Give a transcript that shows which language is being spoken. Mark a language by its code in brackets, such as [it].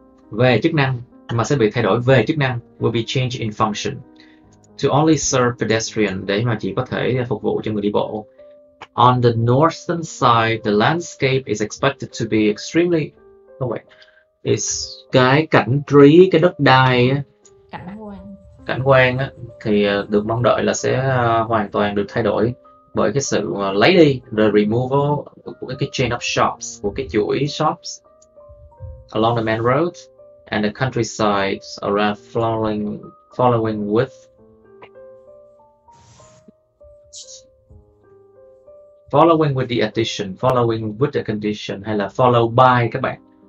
[vi] Về chức năng, mà sẽ bị thay đổi về chức năng, [en] will be changed in function. To only serve pedestrian, [vi] để mà chỉ có thể phục vụ cho người đi bộ. [en] On the northern side, the landscape is expected to be extremely... Oh wait. [vi] It's cái cảnh trí, cái đất đai á. Cảnh quan á, thì được mong đợi là sẽ hoàn toàn được thay đổi bởi cái sự lấy đi, [en] the removal [vi] của cái [en] chain of shops, [vi] của cái chuỗi shops [en] along the main road and the countryside around following with the addition, following with the condition [vi] hay là [en] follow by [vi] các bạn.